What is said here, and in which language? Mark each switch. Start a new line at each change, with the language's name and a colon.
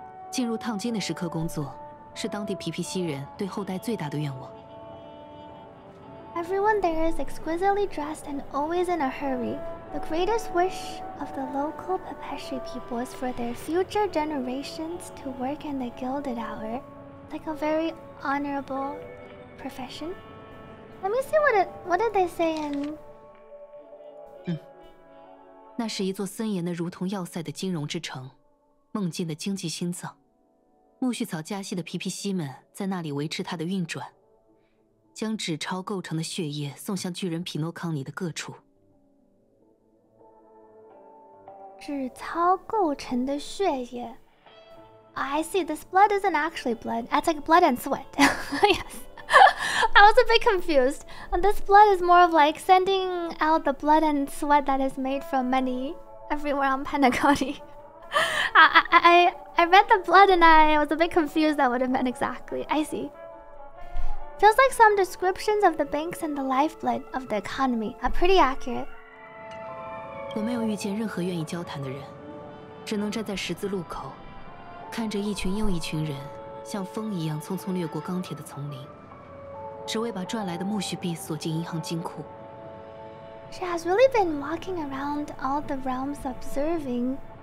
Chinese: 进入烫金的时刻工作，是当地皮皮西人对后代最大的愿望。
English: Everyone there is exquisitely dressed and always in a hurry. The greatest wish of the local Papeshi people is for their future generations to work in the gilded hour, like a very honorable profession. Let me see what did they say in.
Chinese: 那是一座森严的如同要塞的金融之城，梦境的经济心脏。苜蓿草加息的皮皮西们在那里维持它的运转。将纸钞构成的血液送向巨人匹诺康尼的各处。纸钞构成的血液。
English: I see, this blood isn't actually blood. It's like blood and sweat. Yes. I was a bit confused. This blood is more of like sending out the blood and sweat that is made from many everywhere on Pentagony. I read the blood and I was a bit confused at what it meant exactly. I see. Feels like some descriptions of the banks and the lifeblood of the economy are pretty accurate.
Chinese: 我没有遇见任何愿意交谈的人，只能站在十字路口，看着一群又一群人像风一样匆匆掠过钢铁的丛林，只为把赚来的苜蓿币锁进银行金库。
English: She has really been walking around all the realms observing.